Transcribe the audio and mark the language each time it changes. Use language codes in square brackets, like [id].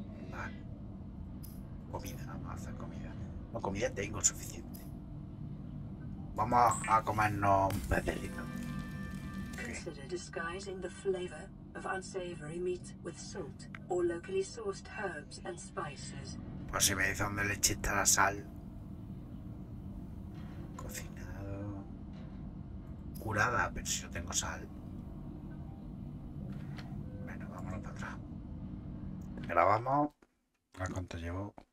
[es] Vale. Comida, vamos a hacer comida. No, comida tengo suficiente. Vamos a comernos un pedelito. [en] Consider disguising the flavor of unsavory meat with salt or locally sourced herbs and spices. [es] Pues si me dice dónde le echaste la sal. Cocinado. Curada, pero si no tengo sal. Bueno, vámonos para atrás. Grabamos. ¿A cuánto llevo?